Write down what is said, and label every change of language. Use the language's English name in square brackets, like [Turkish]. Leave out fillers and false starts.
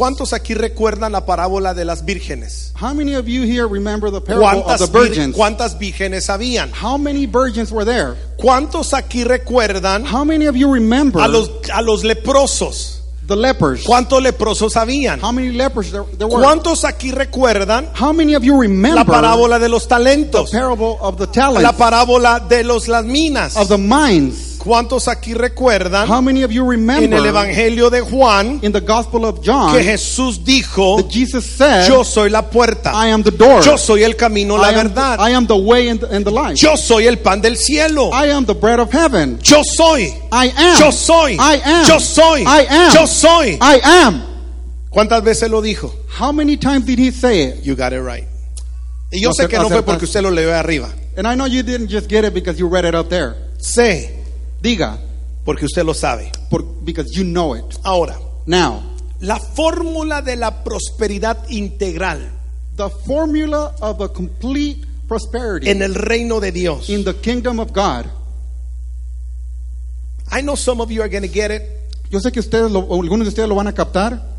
[Spanish] ¿Cuántos aquí recuerdan la parábola de las vírgenes? [English] How many of you here remember the parable of the virgins? [Spanish] ¿Cuántas vírgenes habían? [English] How many virgins were there? [Spanish] ¿Cuántos aquí recuerdan? [English] How many of you remember? [Spanish] A los leprosos. [English] The lepers. [Spanish] ¿Cuántos leprosos habían? [English] How many lepers there were? [Spanish] ¿Cuántos aquí recuerdan? [English] How many of you remember? [Spanish] La parábola de los talentos. [English] The parable of the talents. [Spanish] La parábola de las minas. [English] Of the mines. [Spanish] ¿Cuántos aquí recuerdan? [English] How many of you remember? [Spanish] En el Evangelio de Juan. [English] In the Gospel of John. [Spanish] Que Jesús dijo. [English] That Jesus said. [Spanish] Yo soy la puerta. [English] I am the door. [Spanish] Yo soy el camino, la verdad. [English] I am the way and the life. [Spanish] Yo soy el pan del cielo. [English] I am the bread of heaven. [Spanish] Yo soy. [English] I am. [Spanish] Yo soy. [English] I am. [Spanish] Yo soy. [English] I am. [Spanish] Yo soy. [English] I am. [Spanish] ¿Cuántas veces lo dijo? [English] How many times did he say it? You got it right. [Spanish] Y yo sé que no fue porque usted lo leyó arriba. [English] And I know you didn't just get it because you read it up there. [Spanish] Sí. Diga, porque usted lo sabe. [English] Because you know it. [Spanish] Ahora, [English] now, [Spanish] la fórmula de la prosperidad integral. [English] The formula of a complete prosperity. [Spanish] En el reino de Dios. [English] In the kingdom of God. I know some of you are going to get it. [Spanish] Yo sé que ustedes algunos de ustedes lo van a captar.